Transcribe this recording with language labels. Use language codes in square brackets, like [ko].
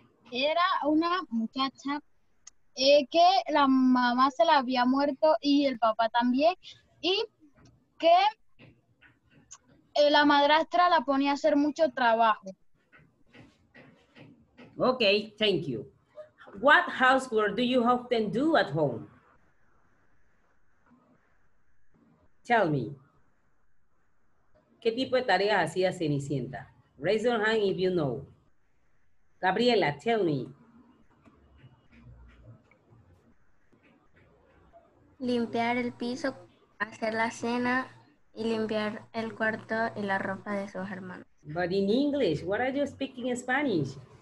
[es] Era una muchacha que la mamá se la había muerto y el papá también. Y que la madrastra la ponía a hacer mucho trabajo. [en] Okay, thank you. What housework do you often do at home? Tell me. [es] ¿Qué tipo de tareas hacía Cenicienta? [en] Raise your hand if you know. Gabriela, tell me. [es] Limpiar el piso, hacer la cena, y limpiar el cuarto y la ropa de sus hermanos. [en] But in English, what are you speaking in Spanish?